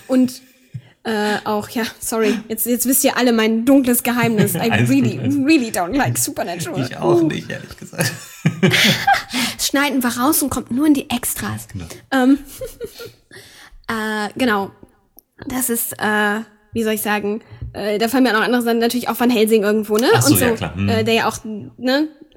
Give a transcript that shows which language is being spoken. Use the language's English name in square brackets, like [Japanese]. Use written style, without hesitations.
[German] Und auch, ja, sorry, jetzt wisst ihr alle mein dunkles Geheimnis. [English] I really don't like Supernatural. [German] Ich auch nicht, ehrlich gesagt. Das schneiden wir raus und kommt nur in die Extras. Genau, das ist, wie soll ich sagen, da fallen mir auch andere Sachen, natürlich auch Van Helsing irgendwo, ne? Ach so, und so, ja, klar. Der ja auch, ne?